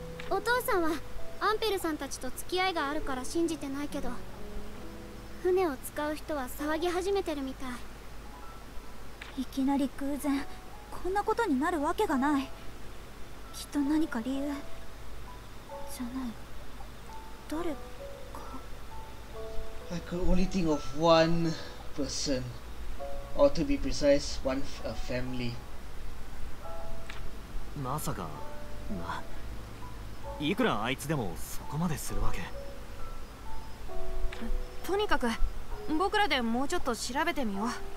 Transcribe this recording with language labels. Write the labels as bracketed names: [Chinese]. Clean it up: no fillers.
[Japanese] お父さんはアンペルさんたちと付き合いがあるから信じてないけど、船を使う人は騒ぎ始めてるみたい。いきなり偶然こんなことになるわけがない。きっと何か理由じゃない。誰か。 [English] I could only think of one person, or to be precise, one family. [Japanese] まさか、まあ、いくらあいつでもそこまでするわけ。とにかく僕らでもうちょっと調べてみよう。